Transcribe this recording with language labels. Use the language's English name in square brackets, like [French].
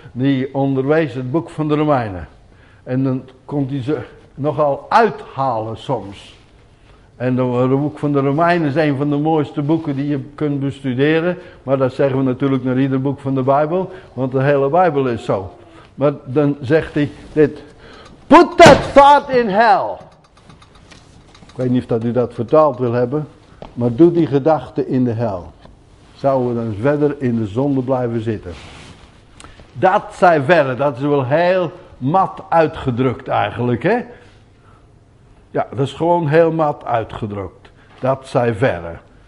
[Dutch] Die onderwees het boek van de Romeinen. En dan kon hij ze nogal uithalen soms. En het boek van de Romeinen is een van de mooiste boeken die je kunt bestuderen. Maar dat zeggen we natuurlijk naar ieder boek van de Bijbel. Want de hele Bijbel is zo. Maar dan zegt hij dit. [English] Put that thought in hell. [Dutch] Ik weet niet of dat u dat vertaald wil hebben. Maar doe die gedachte in de hel. Zouden we dan verder in de zonde blijven zitten. Dat zij verder. Dat is wel heel mat uitgedrukt eigenlijk. Hè? Ja, dat is gewoon heel mat uitgedrukt. Dat zij verder.